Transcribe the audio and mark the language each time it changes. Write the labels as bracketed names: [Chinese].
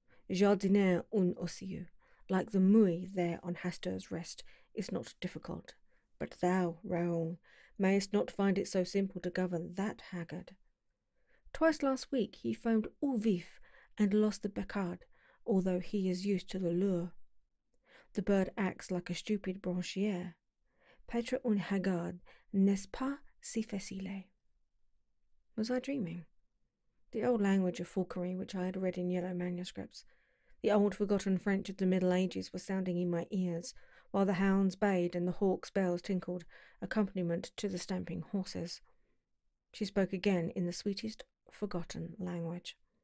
[French] Jardiner un ossieu, [English] like the mouille there on Hastur's rest, is not difficult. But thou, Raoul, mayest not find it so simple to govern that haggard. Twice last week he foamed au vif and lost the becard, although he is used to the lure. The bird acts like a stupid branchier. [French] Petre un haggard, n'est-ce pas si facile?" [English] Was I dreaming? The old language of falconry which I had read in yellow manuscripts, the old forgotten French of the Middle Ages, was sounding in my ears, while the hounds bayed and the hawk's bells tinkled, accompaniment to the stamping horses. She spoke again in the sweetest forgotten language.